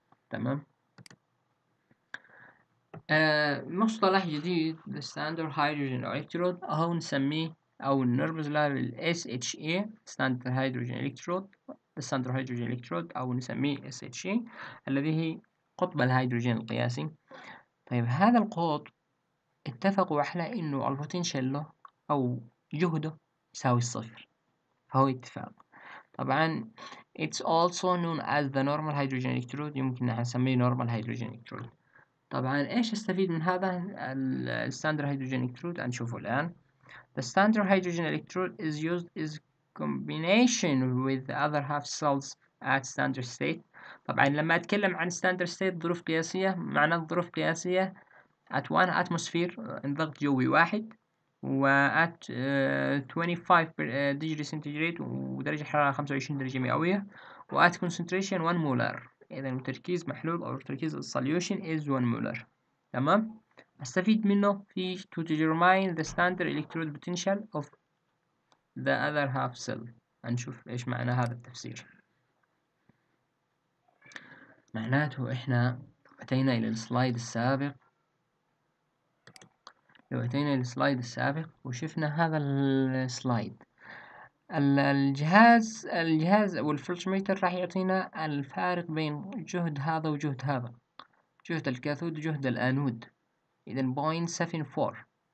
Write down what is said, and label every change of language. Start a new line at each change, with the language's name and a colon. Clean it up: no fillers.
Arabic: تمام مصطلح جديد
English: the standard hydrogen electrode
Arabic: أو نسميه أو نربز له ال SHE standard hydrogen electrode standard hydrogen electrode أو نسميه SHE الذي هي قطب الهيدروجين القياسي. طيب هذا القطب اتفقوا على إنه البوتنشال له أو جهده يساوي الصفر فهو اتفاق. طبعا
English: it's also known as the normal hydrogen electrode
Arabic: يمكن أن نسميه normal hydrogen electrode. طبعا إيش استفيد من هذا الـ standard hydrogen electrode نشوفه الآن.
English: The standard hydrogen electrode is used in combination with other half cells at standard state.
Arabic: طبعا لما أتكلم عن standard state ظروف قياسية معنى الظروف قياسية at one atmosphere ضغط جوي واحد و at 25 degree centigrade ودرجة حرارة 25 درجة مئوية و at concentration 1 مولار إذا التركيز محلول أو التركيز solution is 1 مولر، تمام؟ أستفيد منه في
English: to determine the standard electrode potential of the other half cell.
Arabic: نشوف إيش معنى هذا التفسير. معناته إحنا أتينا إلى السلايد السابق، لو أتينا إلى السلايد السابق وشفنا هذا السلايد، الجهاز أو الفلتشميتر راح يعطينا الفارق بين جهد هذا وجهد هذا، جهد الكاثود وجهد الأنود، إذا 0.74.